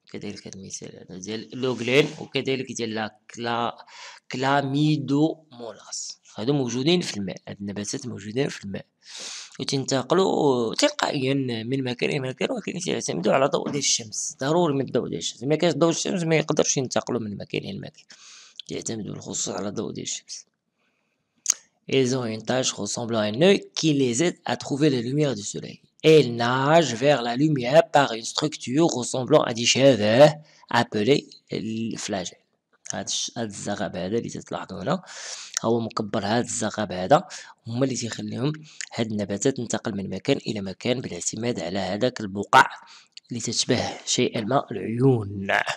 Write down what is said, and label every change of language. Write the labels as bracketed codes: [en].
[ar] كذلك المثال ديال لوغلين، وكذلك ديال كلاميدو مولاس، هادو موجودين في الماء، هاد النباتات موجودين في الماء وتنتقلوا تلقائيا من مكان الى مكان، ولكن يعتمدوا على ضوء ديال الشمس، ضروري من ضوء ديال الشمس، ما كانش ضوء الشمس ما يقدرش ينتقلوا من مكان الى مكان، يعتمدوا بالخصوص على ضوء ديال الشمس. [fr] Ils ont une tache ressemblant à un œil qui les aide à trouver la lumière du soleil. Elles nagent vers la lumière par une structure ressemblant à des cheveux appelés flagelles. [ar] هاد الزغب هذا اللي تلاحظوا هنا هو مكبر، هاد الزغب هذا هما اللي تيخليهم هاد النباتات تنتقل من مكان الى مكان بالاعتماد على هذاك البقع اللي تشبه شيئا ما العيون.